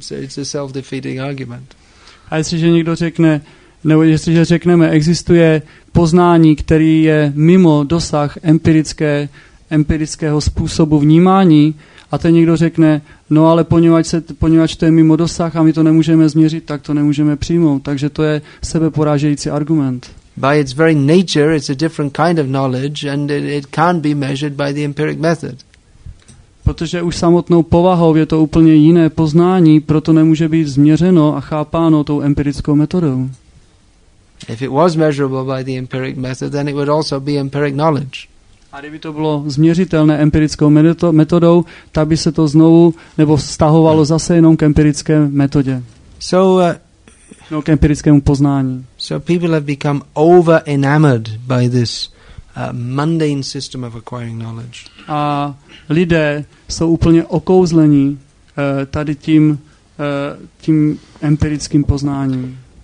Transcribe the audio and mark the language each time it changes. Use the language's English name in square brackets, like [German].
[English] It's a self-defeating argument. [Czech] A jestliže někdo řekne, nebo jestliže řekneme, existuje poznání, který je mimo dosah empirického způsobu vnímání, a ten někdo řekne, no ale poněvadž to je mimo dosah a my to nemůžeme změřit, tak to nemůžeme přijmout. Takže to je sebeporážející argument. [English] By its very nature, it's a different kind of knowledge and it can't be measured by the empiric method. [Czech] Protože už samotnou povahou je to úplně jiné poznání, proto nemůže být změřeno a chápáno tou empirickou metodou. [English] If it was measurable by the empiric method, then it would also be empiric knowledge. [Czech] A kdyby to bylo změřitelné empirickou metodou, tak by se to znovu nebo vztahovalo zase jenom k empirické metodě. No, k empirickému poznání. [English] So people have become over enamored by this mundane system of acquiring knowledge. [Czech] A lidé jsou úplně okouzlení tady tím empirickým poznáním.